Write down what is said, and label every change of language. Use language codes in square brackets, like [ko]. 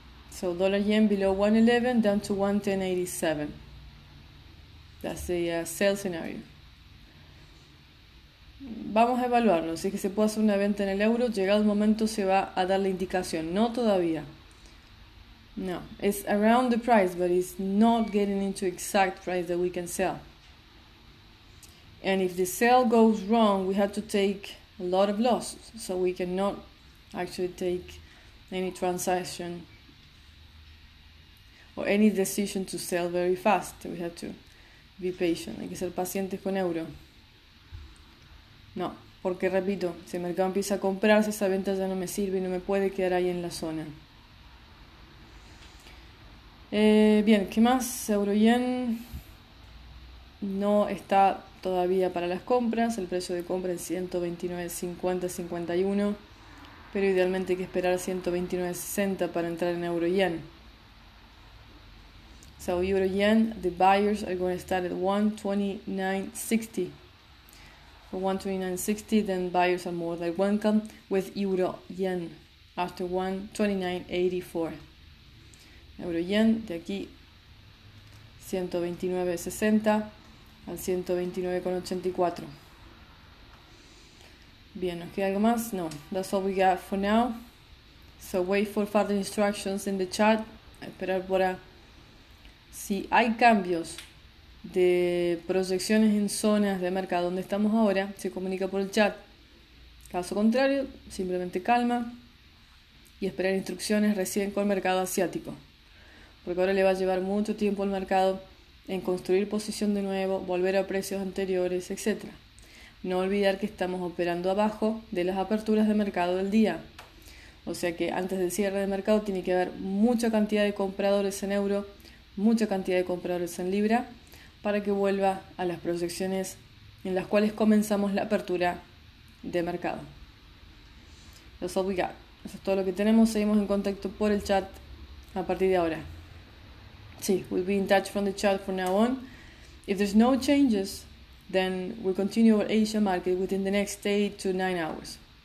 [en] So dollar yen below 111 down to 110.87. That's the sell scenario. [es] Vamos a evaluarlo. Si es que se puede hacer una venta en el euro, llegado el momento se va a dar la indicación. No todavía. [en] No, it's around the price, but it's not getting into exact price that we can sell. And if the sale goes wrong, we have to take a lot of losses, so we cannot actually take any transaction or any decision to sell very fast. We have to be patient. [es] Hay que ser pacientes con euro. No, porque repito, si el mercado empieza a comprarse, esa venta ya no me sirve y no me puede quedar ahí en la zona. Bien, ¿qué más? Euro yen no está todavía para las compras, el precio de compra es 129.50-51, pero idealmente hay que esperar 129.60 para entrar en euro yen. [en] So euro yen, the buyers are going to start at 129.60. For 129.60, then buyers are more like welcome with euro yen after 129.84. [es] Euro yen de aquí 129.60 al 129.84. Bien, ¿nos queda algo más? [en] No, that's all we got for now. So wait for further instructions in the chat. [es] A esperar por a si hay cambios de proyecciones en zonas de mercado donde estamos ahora, se comunica por el chat. Caso contrario, simplemente calma y esperar instrucciones recién con el mercado asiático. Porque ahora le va a llevar mucho tiempo al mercado en construir posición de nuevo, volver a precios anteriores, etc. No olvidar que estamos operando abajo de las aperturas de mercado del día. O sea que antes del cierre de mercado tiene que haber mucha cantidad de compradores en euro, mucha cantidad de compradores en libra, para que vuelva a las proyecciones en las cuales comenzamos la apertura de mercado. [en] That's all we got. [es] Eso es todo lo que tenemos. Seguimos en contacto por el chat a partir de ahora. [en] Sí, we'll be in touch from the chat from now on. If there's no changes, then we'll continue our Asia market within the next 8 to 9 hours.